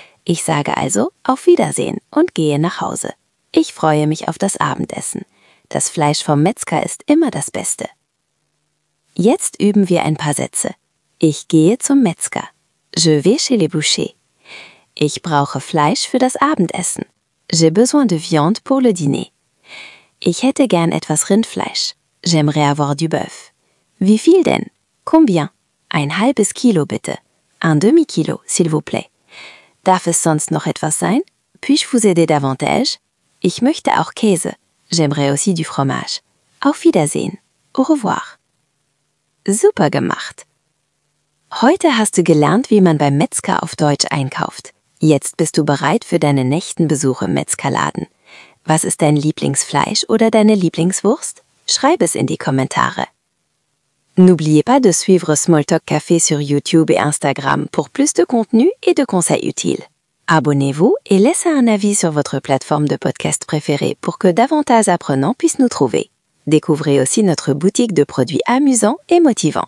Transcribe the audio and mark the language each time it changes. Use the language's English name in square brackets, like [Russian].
[German] Ich sage also auf Wiedersehen und gehe nach Hause. Ich freue mich auf das Abendessen. Das Fleisch vom Metzger ist immer das Beste. Jetzt üben wir ein paar Sätze. Ich gehe zum Metzger. [French] Je vais chez le boucher. [German] Ich brauche Fleisch für das Abendessen. [French] J'ai besoin de viande pour le dîner. [German] Ich hätte gern etwas Rindfleisch. [French] J'aimerais avoir du bœuf. [German] Wie viel denn? [French] Combien? [German] Ein halbes Kilo bitte. [French] Un demi-kilo, s'il vous plaît. [German] Darf es sonst noch etwas sein? [French] Puis-je vous aider davantage? [German] Ich möchte auch Käse. [French] J'aimerais aussi du fromage. [German] Auf Wiedersehen. [French] Au revoir. [German] Super gemacht. Heute hast du gelernt, wie man beim Metzger auf Deutsch einkauft. Jetzt bist du bereit für deine nächsten Besuche im Metzgerladen. Was ist dein Lieblingsfleisch oder deine Lieblingswurst? Schreib es in die Kommentare. [French] N'oubliez pas de suivre Smalltalk Café sur YouTube et Instagram pour plus de contenu et de conseils utiles. Abonnez-vous et laissez un avis sur votre plateforme de podcast préférée pour que davantage d'apprenants puissent nous trouver. Découvrez aussi notre boutique de produits amusants et motivants.